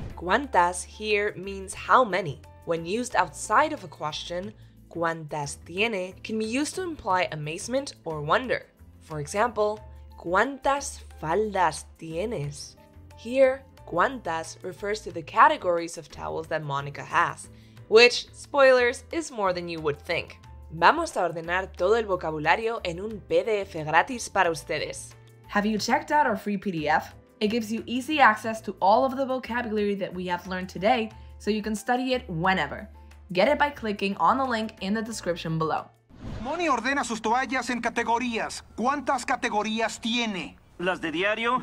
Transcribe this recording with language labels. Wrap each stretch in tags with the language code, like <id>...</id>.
<en>¿Cuántas here means how many? When used outside of a question,</en> <es>¿cuántas tiene?</es> <en>Can be used to imply amazement or wonder. For example,</en> <es>¿cuántas faldas tienes?</es> <en>Here, ¿cuántas refers to the categories of towels that Monica has, which, spoilers, is more than you would think.</en> <es>Vamos a ordenar todo el vocabulario en un PDF gratis para ustedes.</es> <en>Have you checked out our free PDF? It gives you easy access to all of the vocabulary that we have learned today, so you can study it whenever. Get it by clicking on the link in the description below.</en> <es>Moni ordena sus toallas en categorías. ¿Cuántas categorías tiene? Las de diario.</es>